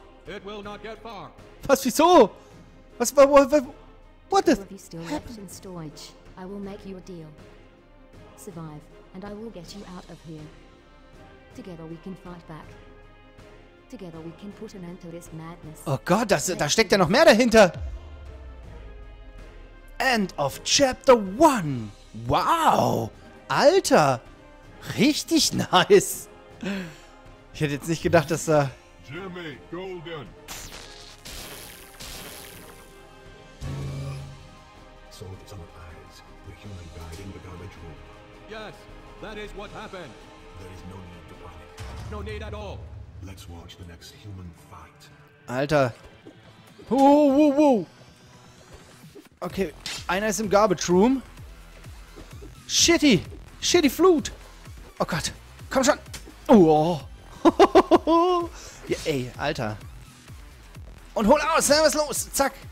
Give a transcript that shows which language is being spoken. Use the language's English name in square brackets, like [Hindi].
[English] It will not get far. [German] Was, wieso? Was, what [English] the... You still left in storage. I will make you a deal. Survive, and I will get you out of here. Together we can fight back. Together we can put an end to this madness. [German] Oh Gott, da steckt ja noch mehr dahinter. [English] End of chapter 1. Wow. Alter. [German] Richtig nice. Ich hätte jetzt nicht gedacht, dass da... Jimmy Golden. [English] So it's on the eyes. The human died in the garbage room. Yes, that is what happened. There is no need to panic. No need at all. Let's watch the next human fight. [German] Alter. Woo, woo, woo. Okay, einer ist im Garbage Room. Shitty. Shitty Flut. Oh Gott. Komm schon. Oh. Ja, ey, Alter. Und hol aus, was ist los? Zack.